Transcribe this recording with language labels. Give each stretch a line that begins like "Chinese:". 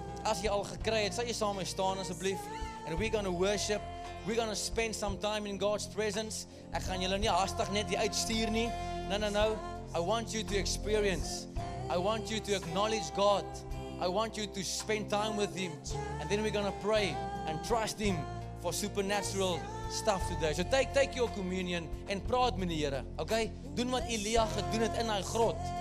Afrikaans: As jy al gekry het, sal jy saam met staan asseblief.
English: And we're going to worship. We're going to spend some time in God's presence.
Afrikaans: Ek gaan julle nie haastig net hier uitstuur nie.
English: No. I want you to experience. I want you to acknowledge God. I want you to spend time with him. And then we're going to pray and trust him for supernatural stuff today. So take your communion and
Afrikaans: praat met die Here.
English: Okay?
Afrikaans: Doen wat Elia gedoen het in daai grot.